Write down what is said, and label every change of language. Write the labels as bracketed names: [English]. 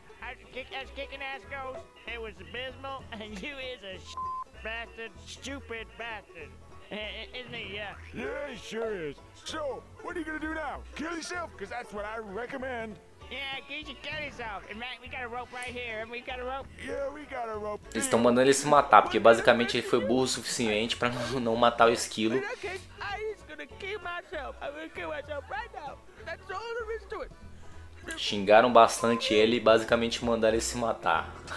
[English] As kicking ass goes, it was abysmal, and you is a sh** bastard, stupid bastard. Isn't he, yeah? Yeah, he sure is. So, what are you gonna do now? Kill yourself, because that's what I recommend. Yeah, you should kill yourself. And Matt, we got a rope right here, and we got a rope. Yeah, we got a rope. [Portuguese] Eles estão mandando ele se matar, porque basicamente ele foi burro o suficiente pra não matar o esquilo. [English] I'm gonna kill myself right now. That's all there is to it. [Portuguese] Xingaram bastante ele e basicamente mandaram ele se matar.